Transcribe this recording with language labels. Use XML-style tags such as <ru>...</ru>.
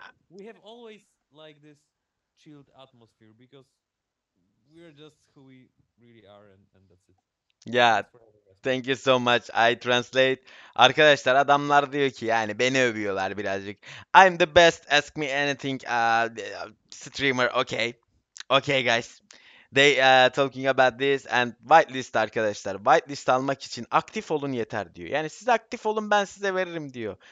<en>We have always like this chilled atmosphere because we're just who we really are and that's it. Yeah, thank you so much. I translate.</en> <tr>Arkadaşlar adamlar diyor ki yani beni övüyorlar birazcık.</tr> <en>I'm the best, ask me anything, streamer, okay. Okay guys, they talking about this and whitelist</en> <tr>arkadaşlar. Whitelist almak için aktif olun yeter diyor. Yani siz aktif olun ben size veririm diyor.</tr>